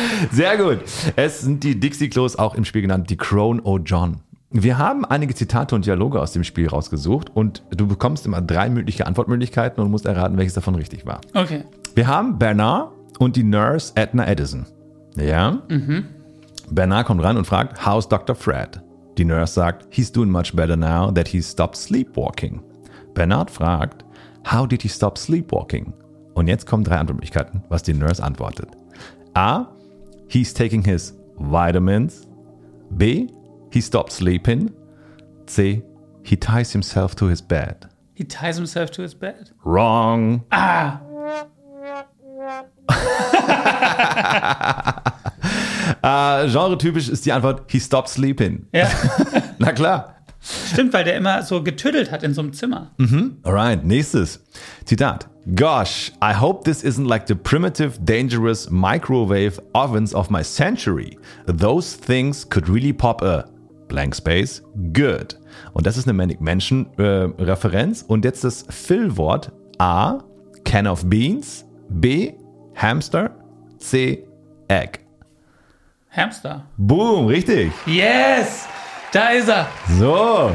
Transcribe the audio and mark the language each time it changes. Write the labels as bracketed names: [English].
[German] Sehr gut. Es sind die Dixie-Klos, auch im Spiel genannt, die Crone O'John. Wir haben einige Zitate und Dialoge aus dem Spiel rausgesucht und du bekommst immer 3 mögliche Antwortmöglichkeiten und musst erraten, welches davon richtig war. Okay. Wir haben Bernard und die Nurse Edna Edison. Ja? Bernard kommt ran und fragt, [English] how's Dr. Fred? [German] Die Nurse sagt, [English] he's doing much better now that he stopped sleepwalking. Bernard [German] fragt, [English] how did he stop sleepwalking? [German] Und jetzt kommen 3 Antwortmöglichkeiten, was die Nurse antwortet. A. [English] He's taking his vitamins. B. He stopped sleeping. C. He ties himself to his bed. He ties himself to his bed? Wrong. Ah! [German] Genre-typisch ist die Antwort, [English] he stopped sleeping. [German] Ja. Na klar. Stimmt, weil der immer so getüdelt hat in so einem Zimmer. Alright, nächstes Zitat. [English] Gosh, I hope this isn't like the primitive, dangerous microwave ovens of my century. Those things could really pop a blank space good. [German] Und das ist eine Manic Mansion Referenz. Und jetzt das Füllwort: A, [English] can of beans, [German] B, hamster, C, egg. Hamster. Boom, richtig. Yes, da ist er. So.